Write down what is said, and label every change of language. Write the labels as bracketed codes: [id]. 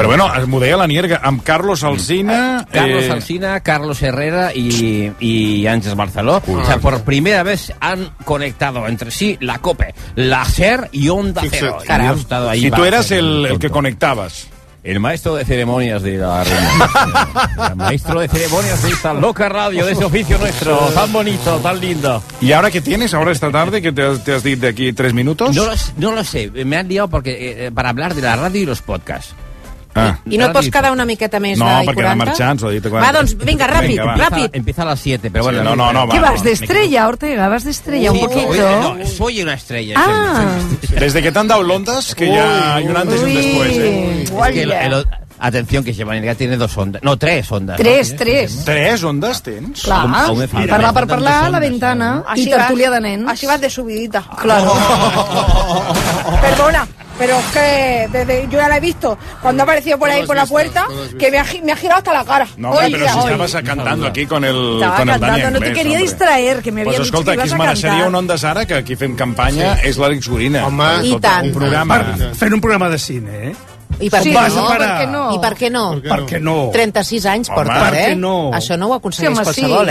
[ca] Però bueno, m'ho deia la Nierga, amb Carlos Alsina... Carlos Alsina, Carlos Herrera i Àngels Barceló. [es] O sea, per primera vez han conectado entre sí la COPE, la SER i Onda Cero. Si tu eres el que conectabas. El maestro de ceremonias de la reunión. El maestro de ceremonias de esta loca radio, de ese oficio nuestro, tan bonito, tan lindo. ¿Y ahora qué tienes, ahora esta tarde, que te has dicho de aquí 3 minutos? No lo sé, me han liado porque para hablar de la radio y los podcasts. Ah. [ca] I no et pots quedar una miqueta més? No, perquè ha de marxar, ens ho ha dit. Va, doncs, vinga, ràpid, [es] venga, [ca] ràpid. [es] Empieza [ca] a les 7, però [es] bueno. Sí, no, [ca] què vas, d'estrella, Ortega? [es] Vas d'estrella, sí, un poquito. No, soy una estrella. Ah. Des de que [ca] t'han [es] dado l'ondes, que ya hay un antes y un después. Es que atención, que Xemanerga tiene 2 ondes. No, 3 ondes. Tres. [ca] No? Tres ondes tens? Clar. Parlar per parlar, la ventana i tertúlia de nens. Així vas de subidita. [es] Claro. Perdona. Pero es que desde yo ya la he visto cuando ha aparecido por ahí por la puerta, que me ha girado hasta la cara. No, hombre, pero si estabas cantando aquí con el Daniel. No te quería distraer, que me había dicho que ibas a cantar. [ca] Escolta, Quisma, seria un Ondas Ara, que aquí fem campanya, és l'Àlex Gorina. Home, fent un programa de cine, eh? I per, sí, no? I per què no? Per què no? 36 anys portes, per què no? Això no ho aconsegueix qualsevol,